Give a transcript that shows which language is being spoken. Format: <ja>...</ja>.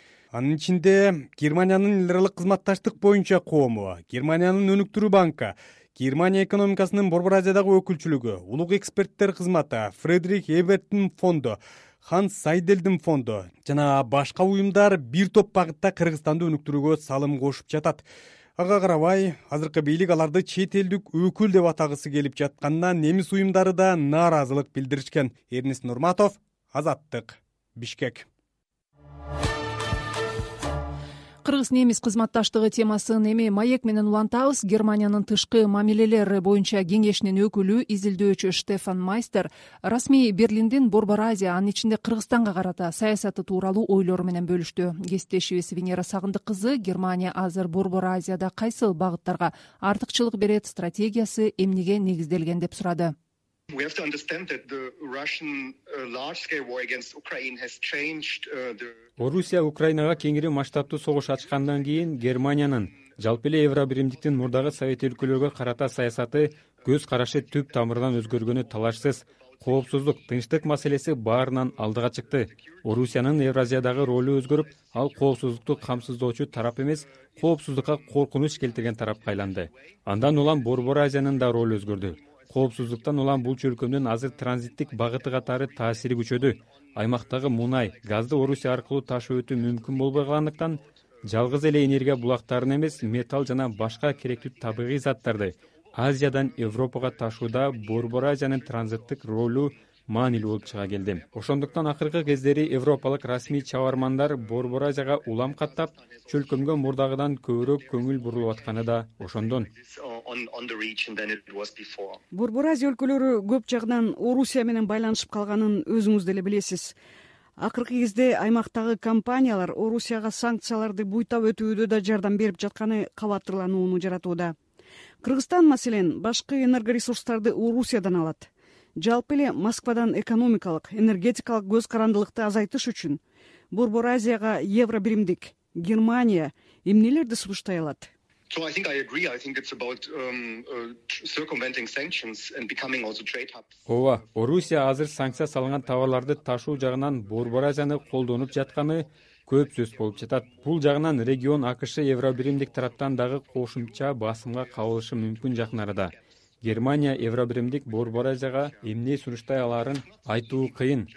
<ky>Анын ичинде Германиянын элдик кызматташтык боюнча коому, Германиянын өнүктүрүү банкы, Германия экономикасынын Борбор Азиядагы өкүлчүлүгү, улук эксперттер кызматы, Фредерик Эберттин фонду, Ханс Сайделдин фонду жана башка уюмдар бир топ багытта Кыргызстанды өнүктүрүүгө салым кошуп жатат. Ага карабай, азыркы бийлик аларды чет элдик өкүл деп атагысы келип жатканына немис уюмдары да нааразылык билдиришкен. Эрнис Нурматов, Азаттык, Бишкек. Кыргыз-немис кызматташтыгы темасын эми маек менен улантабыз. Германиянын тышкы мамилелери боюнча кеңешинин өкүлү, изилдөөчү Штефан Майстер расмий Берлиндин Борбор Азия, анын ичинде Кыргызстанга карата саясаты тууралуу ойлору менен бөлүштү. Кесиптешибиз Венера Сагындык кызы, Германия азыр Борбор Азияда кайсыл багыттарга артыкчылык берет, стратегиясы эмнеге негизделген деп сурады.</ky> <en>We have to understand that the Russian large-scale war against Ukraine has changed the</en> <ky>Орусия Украинага кеңири масштабтуу согуш ачкандан кийин Германиянын жалпы эле Евробиримдиктин мурдагы совет өлкөлөргө карата саясаты көз карашы түп тамырынан өзгөргөнү талашсыз. Коопсуздук, тынчтык маселеси баарынан алдыга чыкты. Орусиянын Евразиядагы ролу өзгөрүп, ал коопсуздукту камсыздоочу тарап эмес, коопсуздукка коркунуч келтирген тарапка айланды. Андан улам Борбор Азиянын да ролу өзгөрдү. Коопсуздуктан улам бул чөлкөмдүн азыр транзиттик багыты катары таасири күчөдү. Аймактагы мунай, газды Орусия аркылуу ташып өтүү мүмкүн болбой калгандыктан, жалгыз эле энергия булактарын эмес, металл жана башка керектүү табигый заттарды Азиядан Европага ташууда Борбор Азиянын транзиттик ролу маанилүү болуп чыга келди. Ошондуктан акыркы кездери европалык расмий чабармандар Борбор Азияга улам каттап, чөлкөмгө мурдагыдан көбүрөөк көңүл бурулуп атканы да ошондон.</ky> <en>on the region than it was before.</en> <ky>Бурбуразия өлкөлөрү көп жагынан Орусия менен байланышып калганын өзүңүз деле билесиз. Акыркы кезде аймактагы компаниялар Орусияга санкцияларды буйтап өтүүдө да жардам берип жатканы кабатырлануунун жаратууда. Кыргызстан, маселен, башкы энергоресурстарды Орусиядан алат. Жалпы эле Москвадан экономикалык, энергетикалык көз карандылыкты азайтыш үчүн Борборазияга Евробиримдик, Германия эмнелерди сунуштай алат?</ky> <en>So I think I agree. I think it's about circumventing sanctions and becoming also trade hubs.</en> <ky>Ова, Орусия азыр санкция салынган товарларды ташуу жагынан Борборазияны колдонуп жатканы көп сөз болуп жатат. Бул жагынан регион АКШ Евробиримдик тараптан дагы кошумча басымга кабылышы мүмкүн жакын арада. Германия Евробиримдик Борборазияга эмне сунуштай аларын айтуу кыйын.</ky>